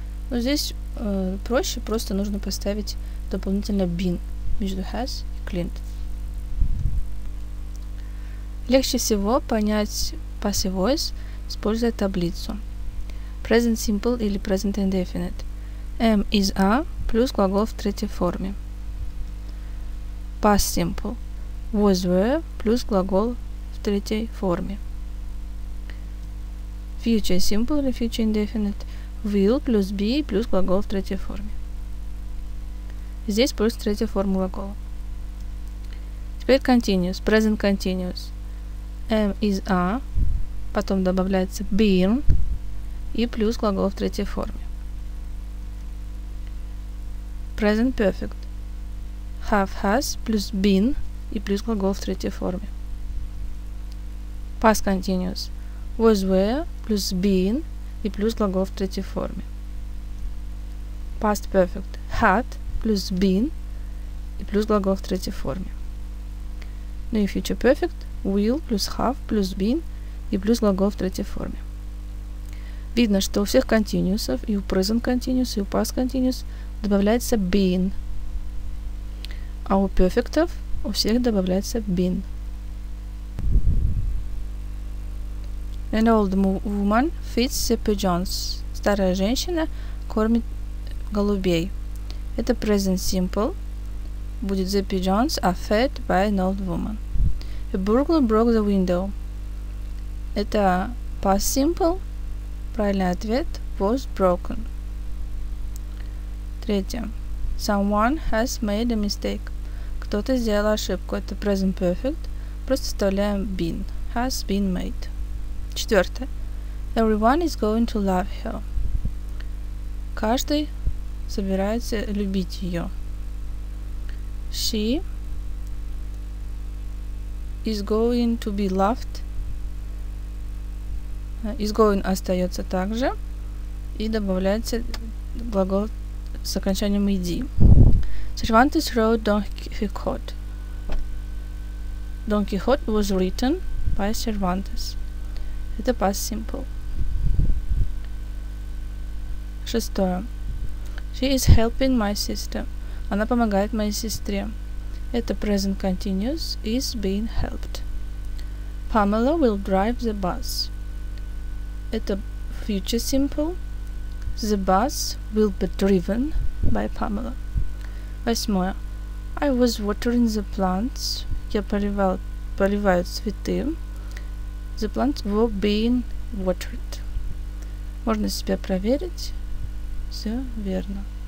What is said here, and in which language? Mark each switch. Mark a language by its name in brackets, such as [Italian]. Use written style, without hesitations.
[Russian] Но здесь проще, просто нужно поставить дополнительно been между has и cleaned. Легче всего понять passive voice, используя таблицу. [English] Present simple или present indefinite. [Russian] Am is are плюс глагол в третьей форме. [English] Past simple. Was were [Russian] плюс глагол в третьей форме. [English] Future simple или future indefinite. [Russian] Will плюс be плюс глагол в третьей форме. Здесь плюс третья форма глагола. Теперь [English] continuous, present continuous. Am is a, [Russian] потом добавляется been и плюс глагол в третьей форме. [English] Present perfect. Have has [Russian] плюс been и плюс глагол в третьей форме. [English] Past continuous. Was were [Russian] плюс been и плюс глагол в третьей форме. [English] Past perfect. [Russian] Had плюс been и плюс глагол в третьей форме. Ну и [English] future perfect. [Russian] Will плюс have плюс been и плюс глагол в третьей форме. Видно, что у всех continuous, и у [English] present continuous, [Russian] и у [English] past continuous [Russian] добавляется been. А у перфектов у всех добавляется been. [English] An old woman feeds the pigeons. [Russian] Старая женщина кормит голубей. Это [English] present simple. [Russian] Будет [English] the pigeons are fed by an old woman. A burglar broke the window. [Russian] Это past simple. Правильный ответ was broken. Третье. [English] Someone has made a mistake. [Russian] Кто-то сделал ошибку. Это [English] present perfect. [Russian] Просто вставляем been. [English] Has been made. [Russian] Четвертое. [English] Everyone is going to love her. [Russian] Каждый собирается любить ее. [English] She is going to be loved. Is going [Russian] остается также. И добавляется глагол с окончанием ed. [English] Cervantes wrote Don Quixote. Don Quixote was written by Cervantes. [Russian] Это past simple. Шестое. [English] She is helping my sister. [Russian] Она помогает моей сестре. Это [English] present continuous. Is being helped. Pamela will drive the bus. [Russian] Это [English] future simple. The bus will be driven by Pamela. [Russian] Восьмое. [English] I was watering the plants. [Russian] Я поливаю цветы. [English] The plants were being watered. [Russian] Можно себя проверить. Все верно.